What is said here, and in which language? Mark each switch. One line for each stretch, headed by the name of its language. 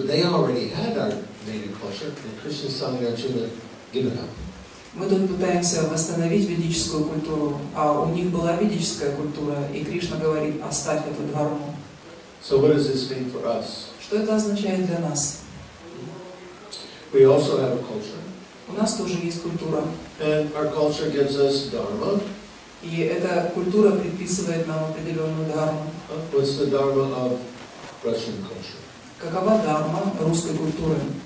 English: They already had our Vedic culture, and Krishna is telling Arjuna, give it up.
Russian: Мы тут пытаемся восстановить ведическую культуру, а у них была ведическая культура, и Кришна говорит, оставь эту дхарму.
English: So what does this mean for us?
Russian: Что это означает для нас?
English: We also have a culture.
Russian: У нас тоже есть культура.
English: And our culture gives us dharma.
Russian: И эта культура предписывает нам определенную дхарму.
English: What's the dharma of Russian culture?
Russian: Какова дхарма русской культуры?